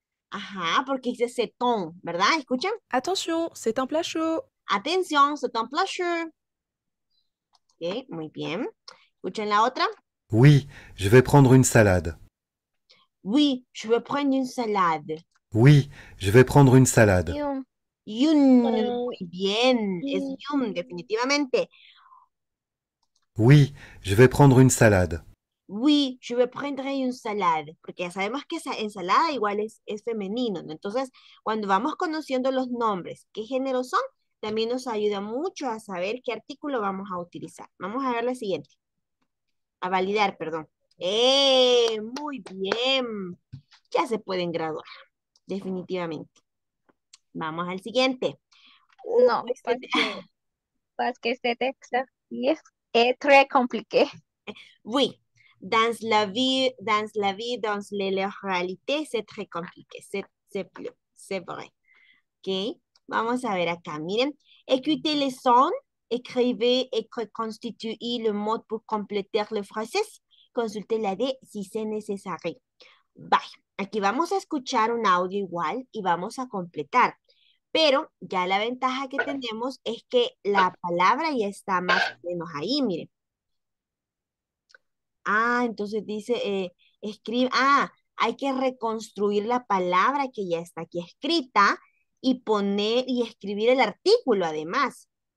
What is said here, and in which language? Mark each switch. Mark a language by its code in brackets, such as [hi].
[es] Ajá, porque dice cetón, ¿verdad? ¿Escuchan? [fr] Attention, c'est un plat chaud. [es] Atención, [fr] c'est un plat chaud. [es] Ok, muy bien. ¿Escuchen la otra? [fr] Oui, je vais prendre une salade. Oui, je veux prendre une salade. Oui, je vais prendre une salade. [es] Yun, muy bien. Es yun, definitivamente. [fr] Oui, je vais prendre une salade. Oui, je vais prendre une salade. [es] Porque ya sabemos que esa ensalada igual es femenino, ¿no? Entonces, cuando vamos conociendo los nombres, qué género son, también nos ayuda mucho a saber qué artículo vamos a utilizar. Vamos a ver la siguiente. A validar, perdón. Muy bien. Ya se pueden graduar, definitivamente. Vamos al siguiente. No, porque este texto es [fr] très compliqué. Oui. Dans la vie, dans la réalité, c'est très compliqué, c'est vrai. [es] Ok, vamos a ver acá, miren. [fr] Écoutez les sons, écrivez et reconstituez le mot pour compléter le français. Consultez la D si c'est nécessaire. [en] Bye. [es] Aquí vamos a escuchar un audio igual y vamos a completar. Pero ya la ventaja que tenemos es que la palabra ya está más o menos ahí, miren. Ah, entonces dice, escribe, hay que reconstruir la palabra que ya está aquí escrita y poner y escribir el artículo además.